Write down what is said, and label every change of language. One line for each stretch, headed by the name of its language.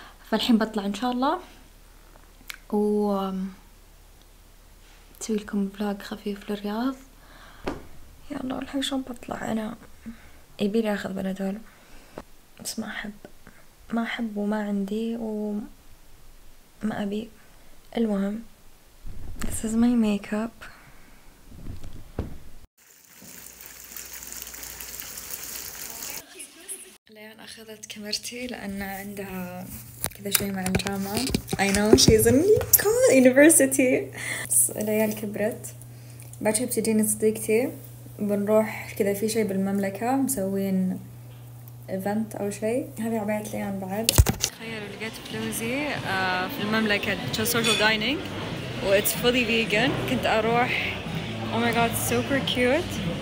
Arabic: فالحين بطلع إن شاء الله وتسوي لكم بلوغ خفيف للرياض. يلا الحين شلون بطلع أنا يبيلي أخذ بنادول بس ما أحب ما أحب وما عندي وما أبي. المهم
English: this is my makeup.
Arabic: ليان أخذت كاميرتي لأن عندها كذا شيء مع الجامعة.
English: I know she's in university.
Arabic: ليان كبرت. بعد شوي بتجيني صديقتي. بنروح كذا في شيء بالمملكة مسوين event أو شيء. هذه عباية ليان بعد. تخيلوا لقيت بلوزي في المملكة
English: just social dining
Arabic: و
English: it's fully vegan.
Arabic: كنت أروح
English: oh my god super cute.